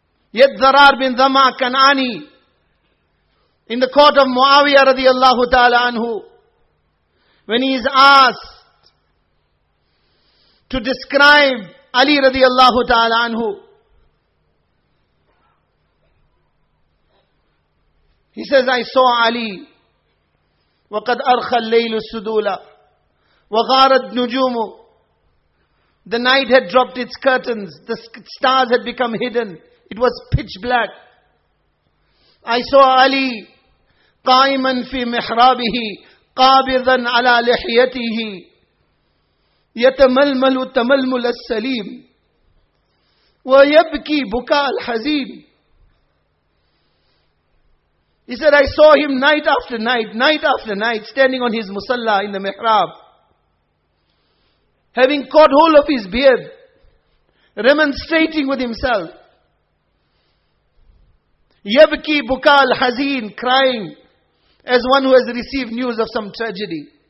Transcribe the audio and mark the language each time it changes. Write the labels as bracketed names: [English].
[English] Yet Zarar bin Dhamma Kan'ani, in the court of Muawiyah radiallahu ta'ala anhu, when he is asked to describe Ali radiallahu ta'ala anhu, he says, I saw Ali, وَقَدْ أَرْخَ اللَّيْلُ السُّدُولَ وَغَارَدْ نُجُومُ. The night had dropped its curtains, the stars had become hidden, it was pitch black. [Arabic] I saw Ali, قَائِمًا فِي مِحْرَابِهِ قَابِضًا عَلَى لِحْيَتِهِ يَتَمَلْمَلُ تَمَلْمُلَ السَّلِيمُ وَيَبْكِي بُكَى الْحَزِينُ. [English] He said, I saw him night after night, standing on his musalla in the mihrab, having caught hold of his beard, remonstrating with himself. Yabki bukal hazin, crying as one who has received news of some tragedy.